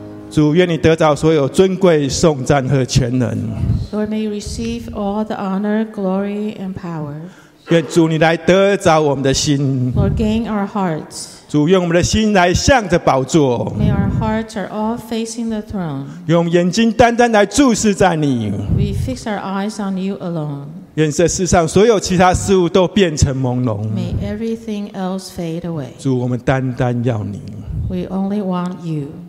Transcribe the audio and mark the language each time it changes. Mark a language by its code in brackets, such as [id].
[zh] 主，愿你得着所有尊贵、颂赞和全能。 [en] Lord, may you receive all the honor, glory, and power. [zh] 愿主你来得着我们的心。 [en] Lord, gain our hearts. [zh] 主，愿我们的心来向着宝座。 [en] May our hearts are all facing the throne. [zh] 用眼睛单单来注视在你。 [en] We fix our eyes on you alone. [zh] 愿这世上所有其他事物都变成朦胧。 [en] May everything else fade away. [zh] 主，我们单单要你。 [en] We only want you.